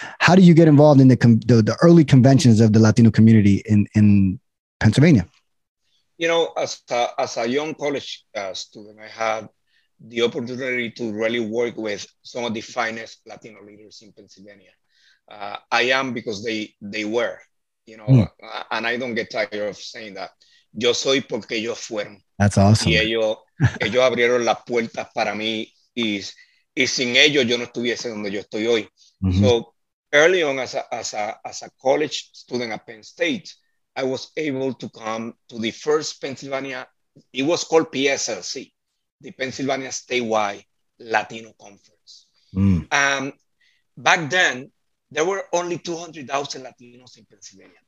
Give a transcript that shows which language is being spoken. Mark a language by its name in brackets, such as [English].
[English] How do you get involved in the early conventions of the Latino community in Pennsylvania? You know, as a young college student, I had the opportunity to really work with some of the finest Latino leaders in Pennsylvania. I am because they were, you know, and I don't get tired of saying that. [Spanish] Yo soy porque ellos fueron. [English] That's awesome. [Spanish] Y ellos abrieron las puertas para mí y sin ellos yo no estuviese donde yo estoy hoy. Mm-hmm. [English] So early on as a college student at Penn State, I was able to come to the first Pennsylvania, it was called PSLC, the Pennsylvania Statewide Latino Conference. Back then, there were only 200,000 Latinos in Pennsylvania.